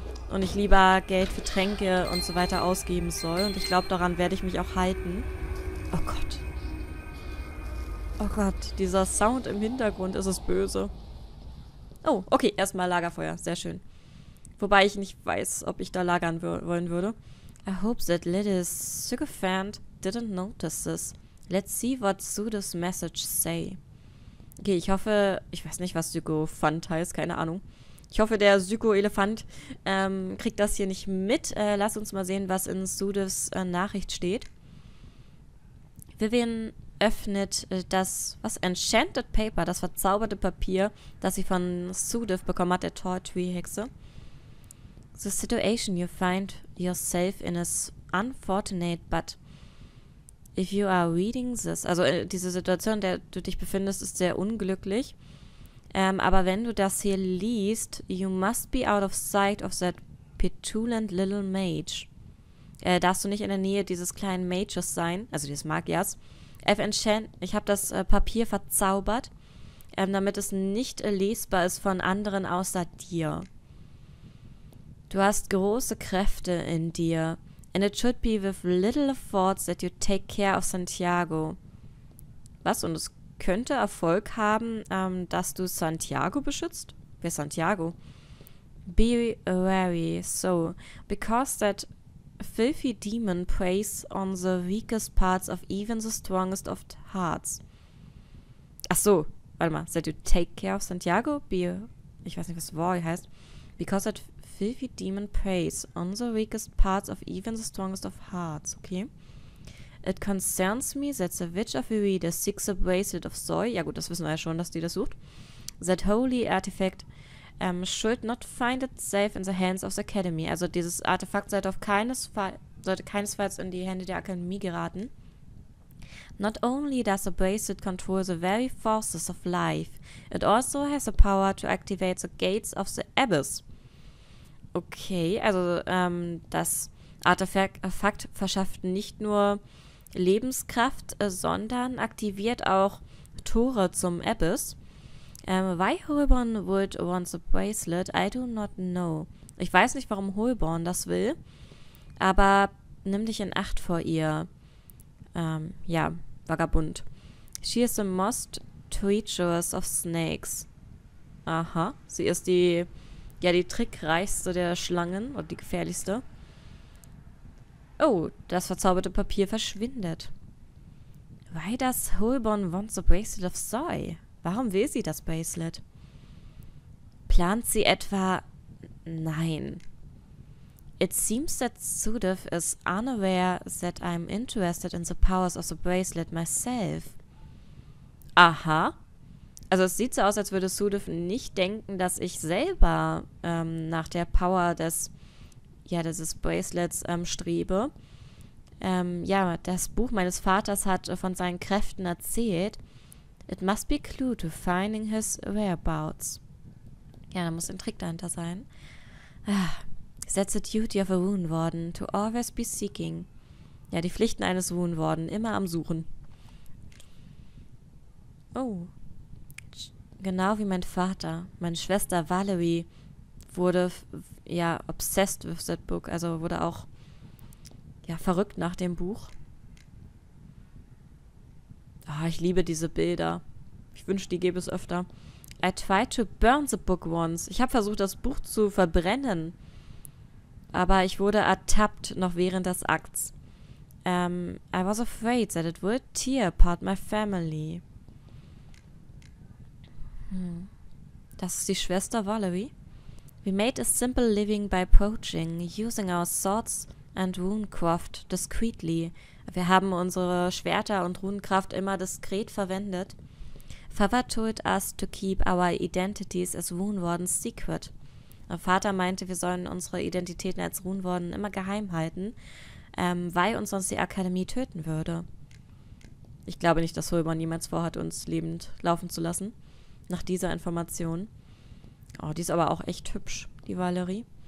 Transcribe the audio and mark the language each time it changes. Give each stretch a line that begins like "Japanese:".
German: Und ich lieber Geld für Tränke und so weiter ausgeben soll. Und ich glaube, daran werde ich mich auch halten. Oh Gott. Oh Gott, dieser Sound im Hintergrund, ist es böse. Oh, okay, erstmal Lagerfeuer, sehr schön. Wobei ich nicht weiß, ob ich da lagern wollen würde.
English: I hope that little sycophant didn't notice this. Let's see what Sudo's message say.
German: Okay, ich hoffe, ich weiß nicht, was Sycophant heißt, keine Ahnung. Ich hoffe, der Syko-Elefant kriegt das hier nicht mit. Lass uns mal sehen, was in Sudo's Nachricht steht. Vivian öffnet das, was? Enchanted Paper, das verzauberte Papier, das sie von Sudith bekommen hat, der Tortue-Hexe.
English: The situation you find yourself in is unfortunate, but if you are reading this...
German: Also diese Situation, in der du dich befindest, ist sehr unglücklich. Aber wenn du das hier liest,
English: you must be out of sight of that petulant little mage.
German: Darfst du nicht in der Nähe dieses kleinen Mages sein, also dieses Magiers. Ich habe das Papier verzaubert, damit es nicht lesbar ist von anderen außer dir. Du hast große Kräfte in dir.
English: And it should be with little thoughts that you take care of Santiago.
German: Was? Und es könnte Erfolg haben, dass du Santiago beschützt? Wer ist Santiago?
English: Be wary, so. Because that filthy demon preys on the weakest parts of even the strongest of hearts.
German: Ach so, warte mal.
English: That you take care of Santiago?
German: Ich weiß nicht, was war heißt.
English: Because that filthy demon preys on the weakest parts of even the strongest of hearts. Okay. It concerns me that the witch of Eureka seeks a bracelet of soy.
German: Ja gut, das wissen wir ja schon, dass die das sucht.
English: That holy artifact should not find itself in the hands of the Academy.
German: Also dieses Artefakt sollte keinesfalls in die Hände der Akademie geraten.
English: Not only does the bracelet control the very forces of life, it also has the power to activate the gates of the Abyss.
German: Okay, also das Artefakt verschafft nicht nur Lebenskraft, sondern aktiviert auch Tore zum Abyss.
English: Why Holborn would want the bracelet, I do not know.
German: Ich weiß nicht, warum Holborn das will, aber nimm dich in Acht vor ihr. Ja, Vagabund.
English: She is the most treacherous of snakes.
German: Aha, sie ist die, ja, die trickreichste der Schlangen, oder die gefährlichste. Oh, das verzauberte Papier verschwindet.
English: Why does Holborn want the bracelet of soy?
German: Warum will sie das Bracelet? Plant sie etwa... Nein.
English: It seems that Sudev is unaware that I'm interested in the powers of the bracelet myself.
German: Aha. Also es sieht so aus, als würde Sudev nicht denken, dass ich selber nach der Power des, ja, dieses Bracelets strebe. Ja, das Buch meines Vaters hat von seinen Kräften erzählt.
English: It must be a clue to finding his whereabouts.
German: Ja, da muss ein Trick dahinter sein.
English: Ah, that's the duty of a Wound Warden, to always be seeking.
German: Ja, die Pflichten eines Wound Warden, immer am Suchen. Oh. Genau wie mein Vater. Meine Schwester Valerie wurde, ja,
English: obsessed with that book.
German: Also wurde auch, ja, verrückt nach dem Buch. Ah, oh, ich liebe diese Bilder. Ich wünschte, die gäbe es öfter.
English: I tried to burn the book once.
German: Ich habe versucht, das Buch zu verbrennen. Aber ich wurde ertappt, noch während des Akts.
English: I was afraid that it would tear apart my family. Hm.
German: Das ist die Schwester Valerie.
English: We made a simple living by poaching, using our swords and runecraft discreetly.
German: Wir haben unsere Schwerter und Runenkraft immer diskret verwendet. Father told us to keep our identities as Runewardens secret. Mein Vater meinte, wir sollen unsere Identitäten als Runewarden immer geheim halten, weil uns sonst die Akademie töten würde. Ich glaube nicht, dass Holborn jemals vorhat, uns lebend laufen zu lassen. Nach dieser Information. Oh, die ist aber auch echt hübsch, die Valerie.